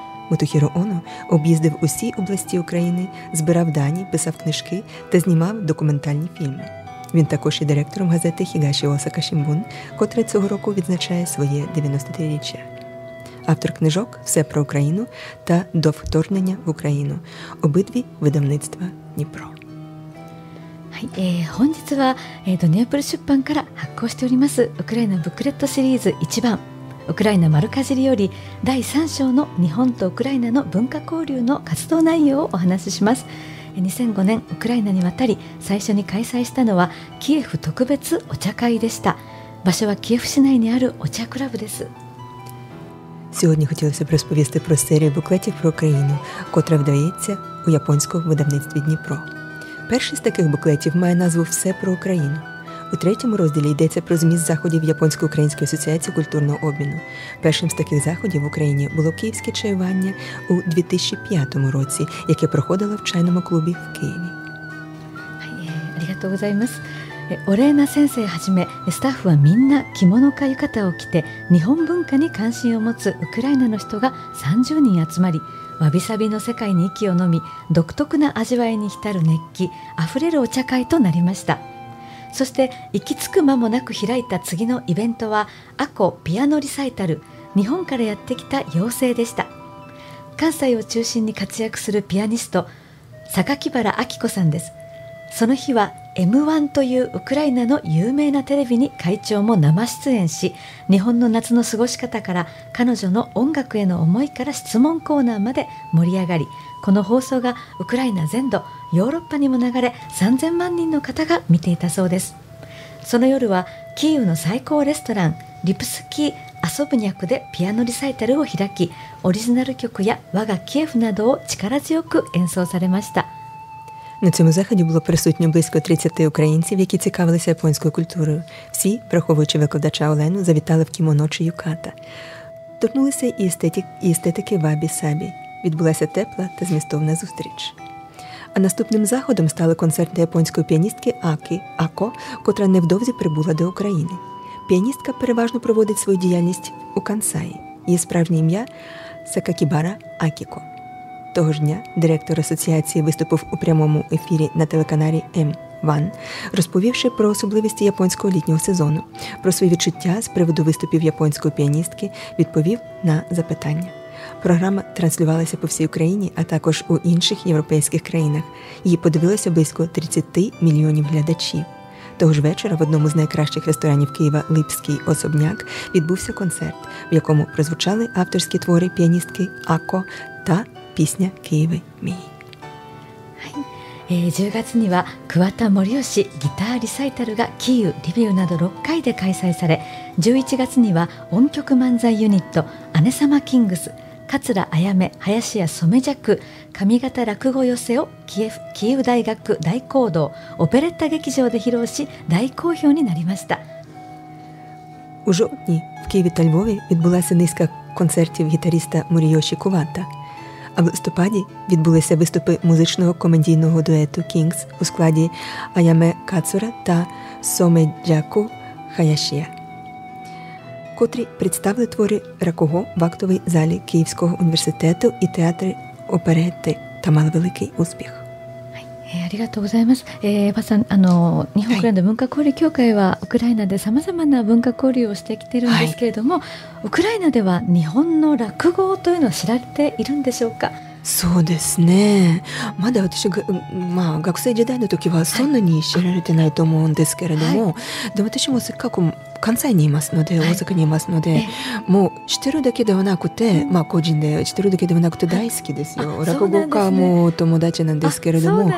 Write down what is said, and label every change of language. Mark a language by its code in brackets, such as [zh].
[uk] Мотохіро Оно об'їздив усі області України, збирав дані, писав книжки та знімав документальні фільми. Він також є директором газети «Хігаші Осака Шімбун», котре цього року відзначає своє 93-річчя. Автор книжок «Все про Україну» та «До вторгнення в Україну», обидві видавництва «Дніпро». [ja] はい、本日は、ドニエプル出版から発行しておりますウクライナブックレットシリーズ1番ウクライナ丸かじりより第3章の日本とウクライナの文化交流の活動内容をお話しします。 2005年ウクライナに渡り最初に開催したのはキエフ特別お茶会でした。場所はキエフ市内にあるお茶クラブです。 [uk] Сьогодні хотілося б розповісти про серію буклетів про Україну, котра видається у японському видавництві Дніпро. Перший з таких буклетів має назву «Все про Україну». У третьому розділі йдеться про зміст заходів Японсько-Української асоціації культурного обміну. Першим з таких заходів в Україні було київське чаювання у 2005 році, яке проходило в чайному клубі в Києві. Дякую. [ja] オレーナ先生はじめスタッフはみんな着物か浴衣を着て、日本文化に関心を持つウクライナの人が30人集まり、わびさびの世界に息を呑み、独特な味わいに浸る熱気あふれるお茶会となりました。そして行き着く間もなく開いた次のイベントは、アコピアノリサイタル、日本からやってきた妖精でした。関西を中心に活躍するピアニスト、榊原明子さんです。その日は M1 というウクライナの有名なテレビに会長も生出演し、日本の夏の過ごし方から彼女の音楽への思いから質問コーナーまで盛り上がり、この放送がウクライナ全土、ヨーロッパにも流れ、3000万人の方が見ていたそうです。その夜はキーウの最高レストランリプスキーアソブニャクでピアノリサイタルを開き、オリジナル曲や我がキエフなどを力強く演奏されました。 [uk] На цьому заході було присутньо близько 30 українців, які цікавилися японською культурою. Всі, враховуючи викладача Олену, завітали в кімоно чи юката. Торкнулися і естетики вабі-сабі. Відбулася тепла та змістовна зустріч. А наступним заходом стали концерти японської піаністки Аки Ако, котра невдовзі прибула до України. Піаністка переважно проводить свою діяльність у Кансаї. Її справжнє ім'я – Сакакібара Акіко. Того ж дня директор асоціації виступив у прямому ефірі на телеканалі M1, розповівши про особливості японського літнього сезону, про свої відчуття з приводу виступів японської піаністки, відповів на запитання. Програма транслювалася по всій Україні, а також у інших європейських країнах. Її подивилося близько 30 мільйонів глядачів. Того ж вечора в одному з найкращих ресторанів Києва «Липський особняк» відбувся концерт, в якому прозвучали авторські твори піаністки Ако та Пісня Києва мій. [ja] はい、10月には桑田盛吉ギターリサイタルがキーウ、リビウなど6回で開催され、11月には音曲漫才ユニット姉様キングス、桂あやめ、林家染めジャク、上方落語寄せをキーウ大学大講堂オペレッタ劇場で披露し大好評になりました。 [uk] У жовтні в Києві та Львові відбулася низка концертів гітариста Моріоші Кувата. А в листопаді відбулися виступи музичного комедійного дуету «Кінгс» у складі Аяме Кацура та Соме Джаку Хаяшія, котрі представили твори Ракого в актовій залі Київського університету і театрі оперети та мали великий успіх. [ja] ありがとうございます。馬さん、日本ウクライナ文化交流協会はウクライナでさまざまな文化交流をしてきているんですけれども、はい、ウクライナでは日本の落語というのは知られているんでしょうか。そうですね、まだ私が、まあ、学生時代の時はそんなに知られてないと思うんですけれども、はい、で私もせっかく関西にいますので、はい、大阪にいますので、もう知ってるだけではなくて、まあ、個人で知ってるだけではなくて大好きですよ、はい、落語家も友達なんですけれども、